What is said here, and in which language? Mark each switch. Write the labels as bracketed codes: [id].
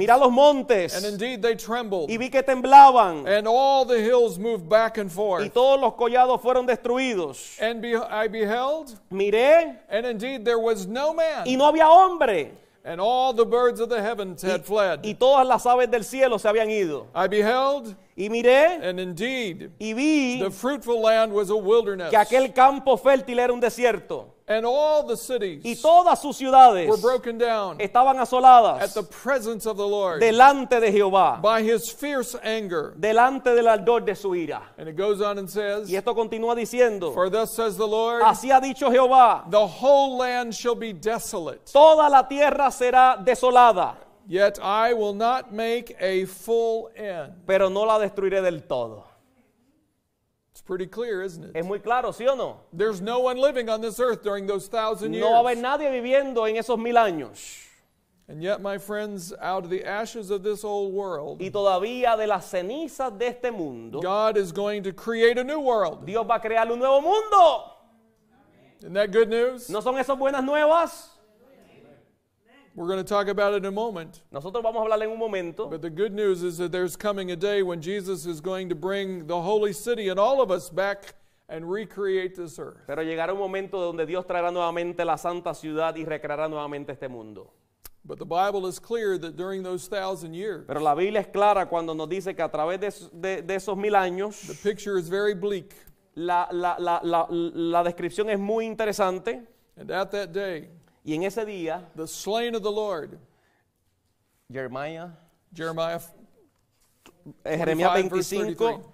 [es] Mira los montes. [en] And indeed they trembled. [es] Y vi que temblaban. [en] And all the hills moved back and forth. [es] Y todos los collados fueron destruidos. [en] And I beheld. [es] Miré. [en] And indeed there was no man. [es] Y no había hombre. [en] And all the birds of the heavens had fled. [es] Y todas las aves del cielo se habían ido. [en] I beheld. [es] Y miré. [en] And indeed. [es] Y vi. [en] The fruitful land was a wilderness. [es] Que aquel campo fértil era un desierto. [en] And all the cities. [es] Y todas sus ciudades. [en] Were broken down. [es] Estaban asoladas. [en] At the presence of the Lord. [es] Delante de Jehová. [en] By his fierce anger. [es] Delante del ardor de su ira. [en] And it goes on and says. [es] Y esto continúa diciendo. [en] For thus says the Lord. [es] Así ha dicho Jehová. [en] The whole land shall be desolate. [es] Toda la tierra será desolada. [en] Yet I will not make a full end. [es] Pero no la destruiré del todo. [en] Pretty clear, isn't it? [es] Es muy claro, ¿sí o no? [en] There's no one living on this earth during those 1,000 years. [es] No va a haber nadie viviendo en esos 1,000 años. [en] And yet, my friends, out of the ashes of this old world, [es] y todavía de las cenizas de este mundo, [en] God is going to create a new world. [es] Dios va a crear un nuevo mundo. [en] Isn't that good news? [es] ¿No son esas buenas nuevas? [en] We're going to talk about it in a moment. [es] Nosotros vamos a hablar en un momento. [en] But the good news is that there's coming a day when Jesus is going to bring the holy city and all of us back and recreate this earth. [es] Pero llegará un momento donde Dios traerá nuevamente la santa ciudad y recreará nuevamente este mundo. [en] But the Bible is clear that during those 1,000 years. [es] Pero la Biblia es clara cuando nos dice que a través de esos 1,000 años. [en] The picture is very bleak. [es] La descripción es muy interesante. [en] And at that day. [es] Y en ese día, [en] the slain of the Lord, Jeremiah 25,